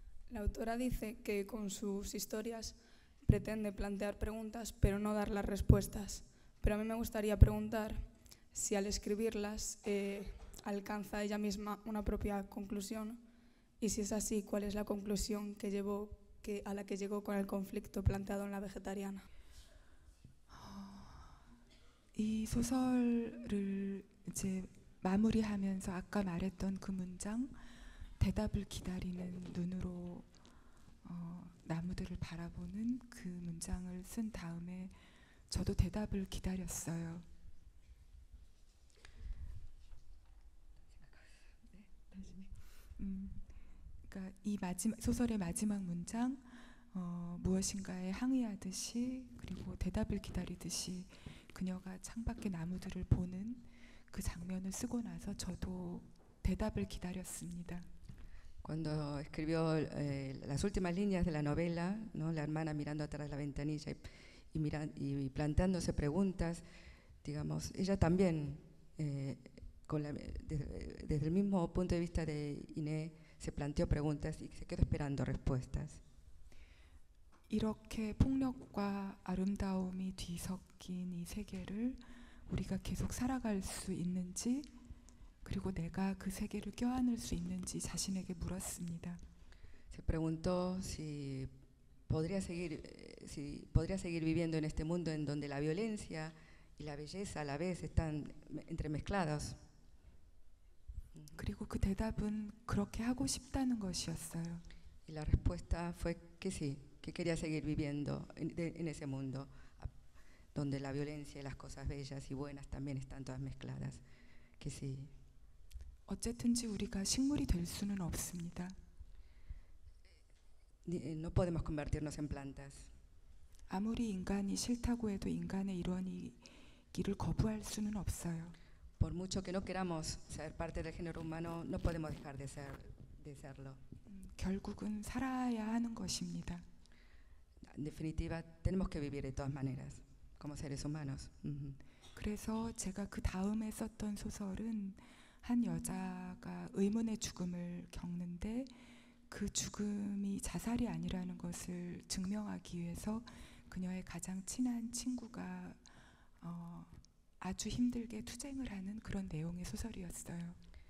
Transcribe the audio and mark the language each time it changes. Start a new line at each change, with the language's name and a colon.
Spanish: La autora dice que con sus historias pretende plantear preguntas, pero no dar las respuestas. Pero a mí me gustaría preguntar si al escribirlas alcanza ella misma una propia conclusión. Y si es así, ¿cuál es la conclusión a la que llegó con el conflicto planteado en la vegetariana?
Korean: 이 소설을 이제 마무리하면서 아까 말했던 그 문장 대답을 기다리는 눈으로 나무들을 바라보는 그 문장을 쓴 다음에 저도 대답을 기다렸어요.
Spanish: Cuando escribió las últimas líneas de la novela, ¿no? La hermana mirando atrás la ventanilla y planteándose preguntas, digamos, ella también, desde el mismo punto de vista de Inés, se planteó preguntas y se quedó esperando respuestas.
Korean: 이렇게 폭력과 아름다움이 뒤섞인 이 세계를 우리가 계속 살아갈 수 있는지 그리고 내가 그 세계를 껴안을 수 있는지 자신에게 물었습니다.
Spanish: Se preguntó si podría seguir viviendo en este mundo en donde la violencia y la belleza a la vez están entremezclados.
Korean: 그리고 그 대답은 그렇게 하고 싶다는 것이었어요.
Spanish: Y la respuesta fue que sí, que quería seguir viviendo en ese mundo donde la violencia y las cosas bellas y buenas también están todas mezcladas. Que sí.
Korean: 어쨌든지 우리가 식물이 될 수는 없습니다.
Spanish: No podemos convertirnos en plantas.
Korean: 아무리 인간이 싫다고 해도 인간의 일원이기를 거부할 수는 없어요.
Spanish: por mucho que no queramos ser parte del género humano, no podemos dejar de ser, de serlo.
Korean: 결국은 살아야 하는 것입니다.
Spanish: En definitiva, tenemos que vivir de todas maneras como seres humanos. Uh-huh.
Korean: 그래서 제가 그 다음에 썼던 소설은 한 여자가 의문의 죽음을 겪는데 그 죽음이 자살이 아니라는 것을 증명하기 위해서 그녀의 가장 친한 친구가 아주 힘들게 투쟁을 하는 그런 내용의 소설이었어요.